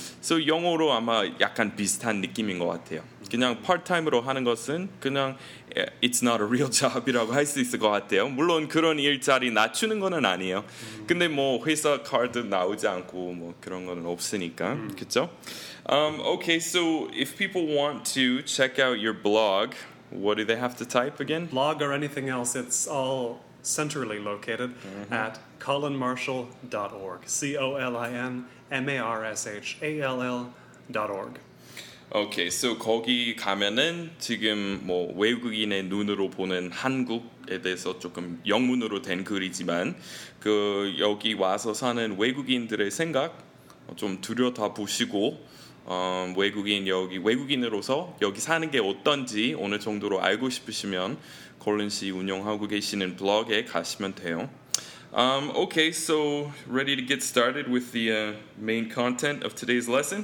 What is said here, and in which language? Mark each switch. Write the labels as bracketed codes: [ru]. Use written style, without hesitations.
[ko] So 영어로 아마 약간 비슷한 느낌인 것 같아요. 그냥 part-time으로 하는 것은 그냥 [en] it's not a real job [ko] 이라고 할 수 있을 것 같아요. 물론 그런 일자리 낮추는 거는 아니에요. 근데 뭐 회사 카드 나오지 않고 뭐 그런 거는 없으니까 그렇죠? [en] Okay, so if people want to check out your blog, what do they have to type again? Blog or anything else, it's all centrally located at colinmarshall.org. colinmarshall.org. [ko] Okay, so 거기 가면은 지금 뭐 외국인의 눈으로 보는 한국에 대해서 조금 영문으로 된 글이지만 그 여기 와서 사는 외국인들의 생각 좀 들여다보시고 외국인 여기 외국인으로서 여기 사는 게 어떤지 어느 정도로 알고 싶으시면 콜린 씨 운영하고 계시는 블로그에 가시면 돼요. [en] Okay, so ready to get started with the main content of today's lesson?